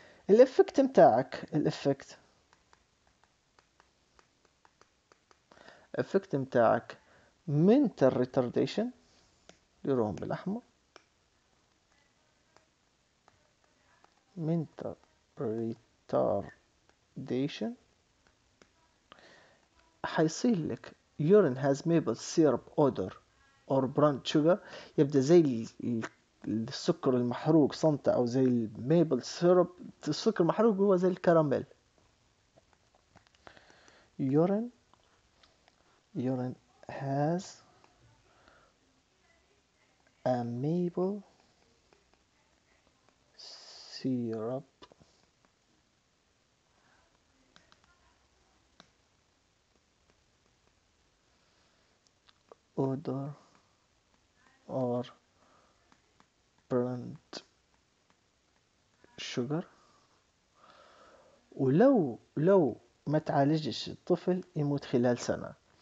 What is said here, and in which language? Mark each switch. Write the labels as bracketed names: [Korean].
[English] الافكت متاعك الافكت متاعك منتال ريتارديشن [Arabic] ديروهم بالاحمر [English] mental retardation. [Arabic] حيصير لك [English] urine has maple syrup odor or brown sugar. [Arabic] يبدأ زي السكر المحروق صمت أو زي maple syrup. السكر المحروق هو زي الكراميل. [English] urine has a maple syrup odor or burnt sugar. [Arabic] ولو ما تعالجش الطفل يموت خلال سنة.